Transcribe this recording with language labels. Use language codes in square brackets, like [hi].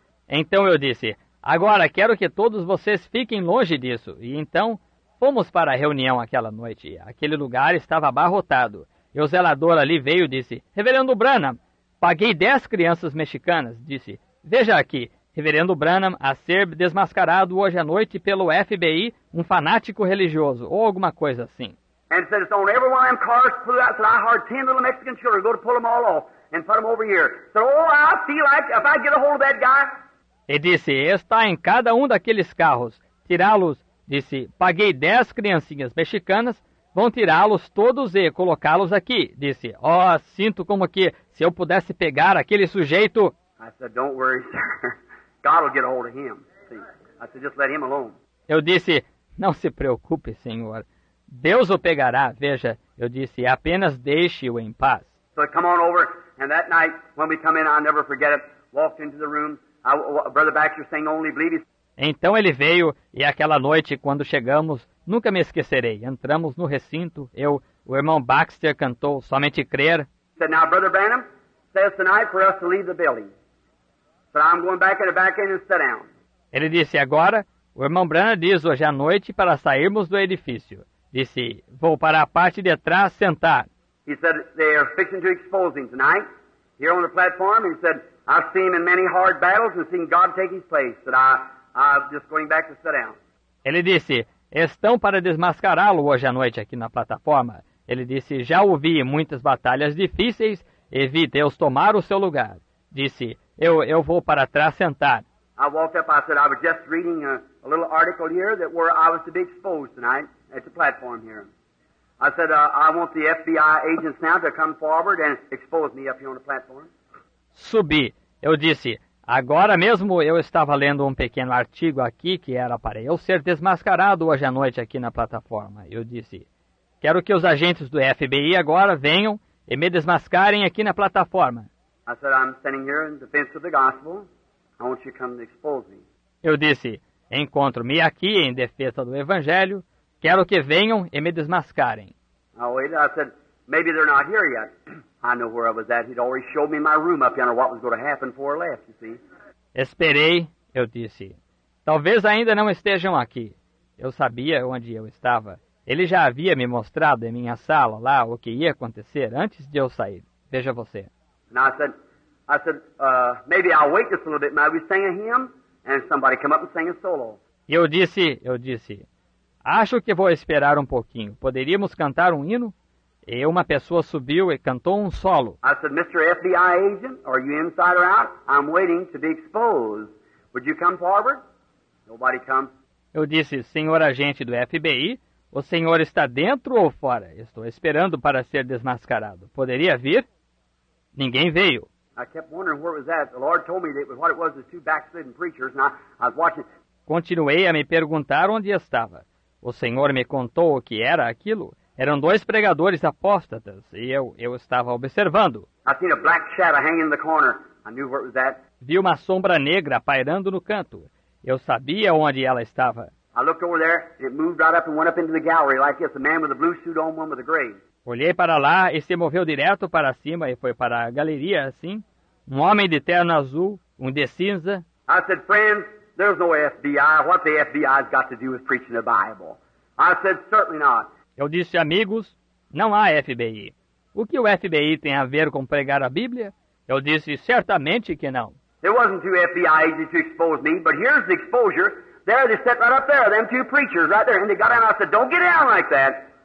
[pt] Então eu disse, agora, quero que todos vocês fiquem longe disso. E então, fomos para a reunião aquela noite. Aquele lugar estava abarrotado. E o zelador ali veio e disse, Reverendo Branham, paguei 10 crianças mexicanas. Disse, veja aqui, Reverendo Branham, a ser desmascarado hoje à noite pelo FBI, um fanático religioso, ou alguma coisa assim. E disse, é sobre todos os carros que eu escutei, eu ouvi 10 mexicanos mexicanos, vou pegar eles todos e pôr eles aqui. Disse, oh, eu sinto que se eu pegar [en] a hold of that guy. [pt] E disse, está em cada um daqueles carros, tirá-los, disse, paguei 10 criancinhas mexicanas, vão tirá-los todos e colocá-los aqui. Disse, ó, oh, sinto como que se eu pudesse pegar aquele sujeito. [en] I said, don't worry, sir. God will get a hold of him. See, I said, just let him alone. [pt] Eu disse, não se preocupe, senhor, Deus o pegará, veja, eu disse, apenas deixe-o em paz. [en] So come on over, and that night, when we come in, I'll never forget it, walked into the room. Brother Baxter saying only believe. [pt] Então ele veio, e aquela noite, quando chegamos, nunca me esquecerei. Entramos no recinto, eu, o irmão Baxter cantou Somente Crer. Said, now, Brother Branham, says tonight for us to leave the building. So I'm going back in the back end and sit down. Ele disse, agora, o irmão Branham diz hoje à noite para sairmos do edifício. Disse, vou para a parte de trás sentar. [en] He said, they are fixing to expose him tonight, here on the platform. He said, I've seen him in many hard battles and seen God take his place. That I'm just going back to sit down. [pt] Ele disse, estão para desmascará-lo hoje à noite aqui na plataforma. Ele disse, já ouvi muitas batalhas difíceis e vi Deus tomar o seu lugar. Disse, eu vou para trás sentar. [en] I walked up, I said, I was just reading a little article here that where I was to be exposed tonight at the platform here. I said, I want the FBI agents now to come forward and expose me up here on the platform. [pt] Subi. Eu disse, agora mesmo eu estava lendo um pequeno artigo aqui que era para eu ser desmascarado hoje à noite aqui na plataforma. Eu disse, quero que os agentes do FBI agora venham e me desmascarem aqui na plataforma. [en] I said, I'm standing here in defense of the gospel. I want you to come and expose me. [pt] Eu disse, encontro-me aqui em defesa do evangelho. Quero que venham e me desmascarem. [en] I said, maybe they're not here yet. I know where I was at. He'd already showed me my room up yonder, what was going to happen before I left, you see. [pt] Esperei, eu disse. Talvez ainda não estejam aqui. Eu sabia onde eu estava. Ele já havia me mostrado em minha sala lá o que ia acontecer antes de eu sair. Veja você. [en] And I said, maybe I'll wait just a little bit. Maybe sing a hymn and somebody come up and sing a solo. [pt] E eu disse, acho que vou esperar um pouquinho. Poderíamos cantar um hino? E uma pessoa subiu e cantou um solo. [en] I said, Mr. FBI agent, are you inside or out? I'm waiting to be exposed. Would you come forward? Nobody come. [pt] Eu disse, senhor agente do FBI, o senhor está dentro ou fora? Estou esperando para ser desmascarado. Poderia vir? Ninguém veio. [en] I kept wondering where it was at. The Lord told me that what it was, the two backslidden preachers, and I was watching. [pt] Continuei a me perguntar onde estava. O senhor me contou o que era aquilo. Eram dois pregadores apóstatas, e eu estava observando. [en] I seen a black shadow hanging in the corner. I knew where it was at. [pt] Vi uma sombra negra pairando no canto. Eu sabia onde ela estava. [en] I looked over there, and it moved right up and went up into the gallery like this. A man with a blue suit on, one with a gray. [pt] Olhei para lá e se moveu direto para cima e foi para a galeria, assim. Um homem de terno azul, um de cinza. [en] I said, friends, there's no FBI. What the FBI's got to do with preaching the Bible? I said, certainly not. [pt] Eu disse, amigos, não há FBI. O que o FBI tem a ver com pregar a Bíblia? Eu disse, certamente que não. [en] There wasn't two FBI agents to expose me, but here's the exposure. There they sat right up there, them two preachers right there. And they got down and I said, don't get down like that.